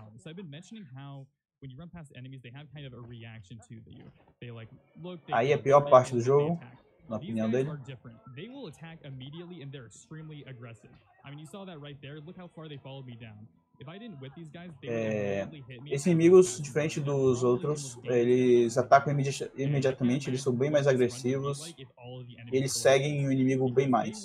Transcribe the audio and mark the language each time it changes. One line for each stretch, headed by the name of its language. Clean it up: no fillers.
English: So I've been mentioning how when you run past enemies, they have kind of a reaction to you. They like look.
Portuguese: Aí é a pior parte do jogo, na opinião dele.
English: They will attack immediately and they're extremely aggressive. I mean, you saw that right there. Look how far they followed me down. If I didn't whip these guys, they would immediately hit me.
Portuguese: Esses inimigos, diferente dos outros, eles atacam imediatamente, eles são bem mais agressivos, eles seguem o inimigo bem mais.